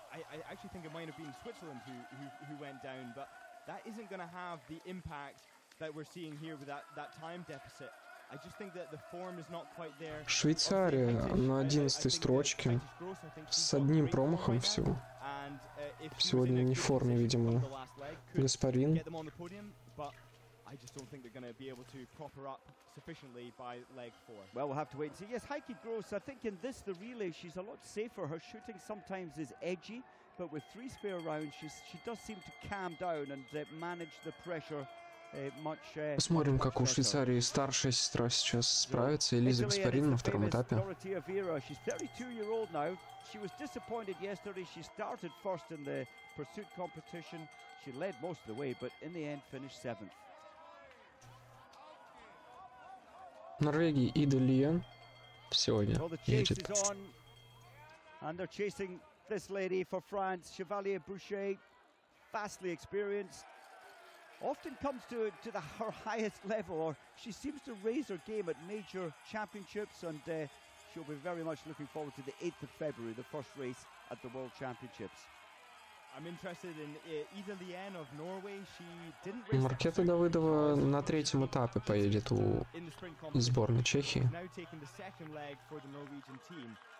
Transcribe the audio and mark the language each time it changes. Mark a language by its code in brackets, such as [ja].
[en] I actually think it might have been Switzerland who went down, but that isn't going to have the impact that we're seeing here with that time deficit. I just think that the form is not quite there. [ru] Швейцария на 11-й строчке с одним промахом всего. Сегодня не в форме, видимо, Гаспарин. [en] I just don't think they're going to be able to prop her up sufficiently by leg 4. Well, we'll have to wait and see. Yes, Heike Gross, I think in this, the relay, she's a lot safer. Her shooting sometimes is edgy, but with 3 spare rounds, she does seem to calm down and manage the pressure much better. [ru] Посмотрим, как у Швейцарии старшая сестра сейчас справится, Элиза Гаспарин на втором этапе. [en] She's 32-year-old now. She was disappointed yesterday. She started first in the pursuit competition. She led most of the way, but in the end finished 7th. [ru] Норвегии Ида Лиен сегодня едет. [en] And they're chasing this lady for France, Chevalier Boucher, vastly experienced. Often comes to her highest level, or she seems to raise her game at major championships, and she'll be very much looking forward to the 8th of February, the first race at the World Championships. I'm interested in Ida Lien of Norway. She didn't race. [ru] Маркета Давыдова на 3-м этапе поедет у сборной Чехии. [en] Now taking the second leg for the Norwegian team.